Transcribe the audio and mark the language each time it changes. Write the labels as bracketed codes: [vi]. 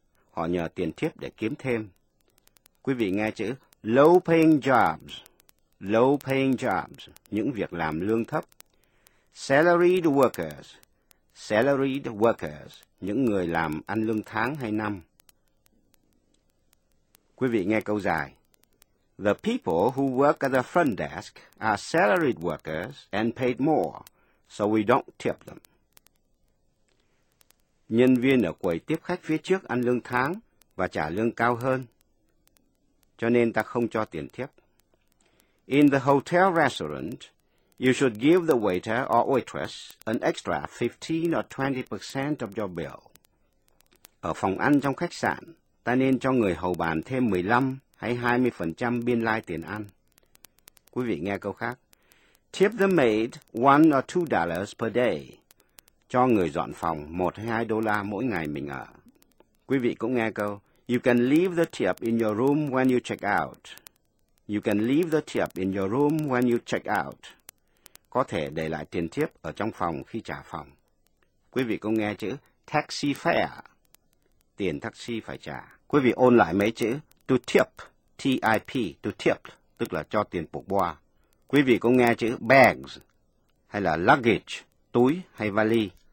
[vi] Họ nhờ tiền tip để kiếm thêm. Quý vị nghe chữ [en] low-paying jobs. Low-paying jobs, [vi] những việc làm lương thấp. [en] Salaried workers. Salaried workers, [vi] những người làm ăn lương tháng hay năm. Quý vị nghe câu dài: [en] The people who work at the front desk are salaried workers and paid more, so we don't tip them. [vi] Nhân viên ở quầy tiếp khách phía trước ăn lương tháng và trả lương cao hơn, cho nên ta không cho tiền tip. [en] In the hotel restaurant, you should give the waiter or waitress an extra 15 or 20% of your bill. [vi] Ở phòng ăn trong khách sạn, ta nên cho người hầu bàn thêm 15 hay 20% biên lai tiền ăn. Quý vị nghe câu khác. [en] Tip the maid $1 or $2 per day. [vi] Cho người dọn phòng $1 hay $2 mỗi ngày mình ở. Quý vị cũng nghe câu: [en] You can leave the tip in your room when you check out. You can leave the tip in your room when you check out. [vi] Có thể để lại tiền tip ở trong phòng khi trả phòng. Quý vị cũng nghe chữ [en] taxi fare. [vi] Tiền taxi phải trả. Quý vị ôn lại mấy chữ [en] to tip, T-I-P, to tip, [vi] tức là cho tiền buộc boa. Quý vị cũng nghe chữ bags, hay là luggage, túi hay vali.